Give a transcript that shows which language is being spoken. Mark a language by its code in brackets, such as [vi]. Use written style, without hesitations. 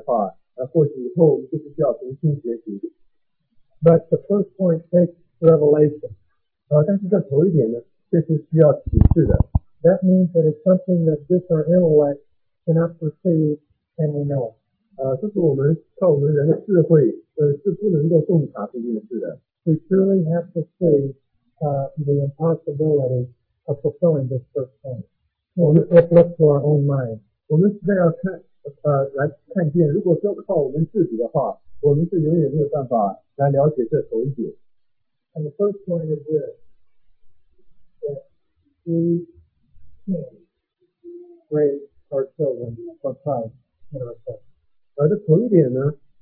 [zh] 如果我们真的了解的头一点的话，或许以后我们就不需要重新学习。 [en] But the first point takes revelation. [zh] 但是这头一点呢，这是需要启示的。 [en] That means that it's something that just our intellect cannot perceive and we know. [zh] 这是我们靠我们人的智慧是不能够洞察这件事的。 [en] We truly have to see the impossibility of fulfilling this first point. It looks to our own mind. [zh] 我们是要看，来看见，如果只靠我们自己的话，我们是永远没有办法来了解这头一点。 [en] And the first point is this, that we raise our children from pride in ourselves.